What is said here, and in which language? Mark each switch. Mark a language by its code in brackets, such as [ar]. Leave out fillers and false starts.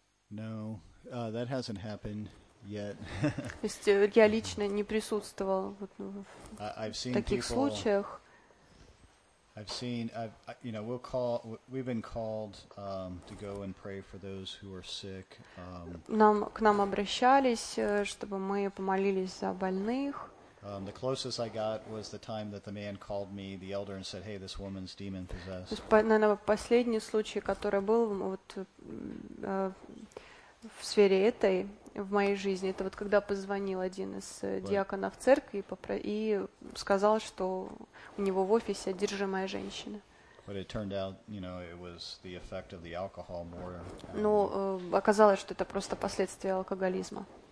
[en] No, that hasn't happened yet. [ru] То есть я лично не присутствовал в таких случаях. [en] I've seen, I've, you know, we'll call, we've been called to go and pray for those who are sick. [ru] Нам, к нам обращались, чтобы мы помолились за больных. [en] The closest I got was the time that the man called me, the elder, and said, "Hey, this woman's demon possessed." [ru] То есть, наверное, последний случай, который был вот в сфере этой в моей жизни, это вот когда позвонил один из диаконов церкви и сказал, что у него в офисе одержимая женщина. [en] But it turned out, you know, it was the effect of the alcohol more. [ru] Ну, оказалось, что это просто последствия алкоголизма.